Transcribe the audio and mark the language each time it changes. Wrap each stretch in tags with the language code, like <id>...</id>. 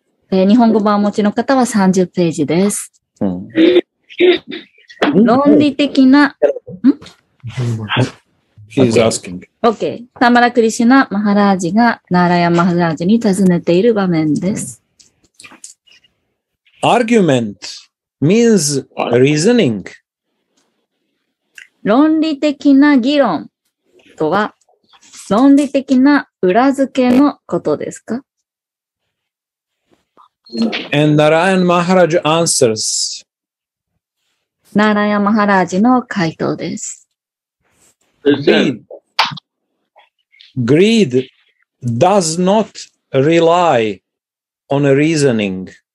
<ja>日本語版をお持ちの方は30ページです。論理的な、</ja> <en>She's asking. Okay.</en> <ja>タマラ・クリシュナ・マハラージがナーラヤ・マハラージに尋ねている場面です。</ja> <en>Argument means reasoning.</en> <ja>論理的な議論とは、論理的な裏付けのことですか？</ja> <en>And Narayan Maharaj answers.</en> <ja>Narayan Maharaj の回答です。</ja> <en>Greed does not rely on reasoning.</en>